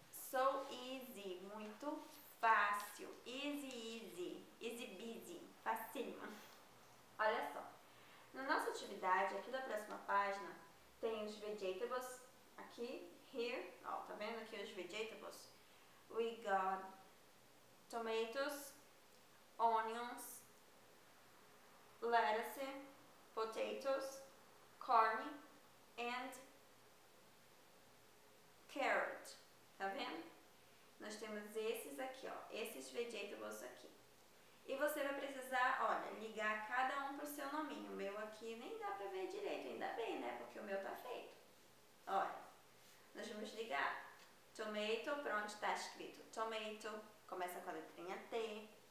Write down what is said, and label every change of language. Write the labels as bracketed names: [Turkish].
[English] So easy, [Portuguese] muito fácil. [English] Easy, easy. Easy, busy. [Portuguese] Facinho. Olha só. Na nossa atividade, aqui da próxima página, tem os vegetables. Aqui, here. Ó, tá vendo aqui os vegetables? [English] We got tomatoes, onions, lettuce, potatoes, corn, and carrot. [Portuguese] Tá vendo? Nós temos esses aqui, ó. Esses vegetables aqui. E você vai precisar, olha, ligar cada um pro seu nominho. O meu aqui nem dá pra ver direito. Ainda bem, né? Porque o meu tá feito. Olha. Nós vamos ligar. Tomato, pra onde tá escrito? Tomato. Começa com a letrinha T.